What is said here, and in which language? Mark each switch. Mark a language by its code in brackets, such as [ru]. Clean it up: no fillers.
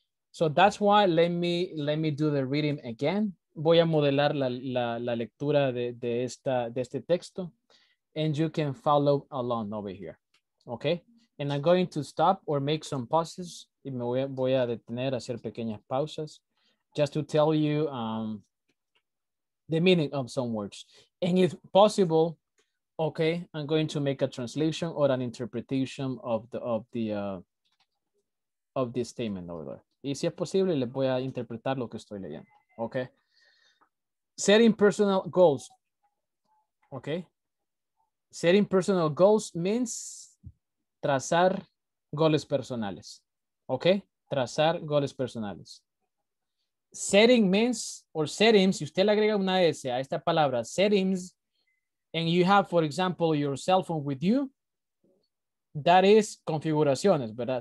[en] So that's why let me do the reading again. [es] Voy a modelar la lectura de este texto. [en] And you can follow along over here. Okay? And I'm going to stop or make some pauses. [es] Y me voy a detener, hacer pequeñas pausas. [en] Just to tell you the meaning of some words. And if possible, okay, I'm going to make a translation or an interpretation of the statement over there. [es] Y si es posible, les voy a interpretar lo que estoy leyendo. [en] Okay. Setting personal goals. Okay. Setting personal goals means [es] trazar goles personales. [en] Okay. [es] Trazar goles personales. [en] Setting means, or settings, [es] si usted le agrega una S a esta palabra, [en] settings, and you have, for example, your cell phone with you, that is [es] configuraciones, ¿verdad?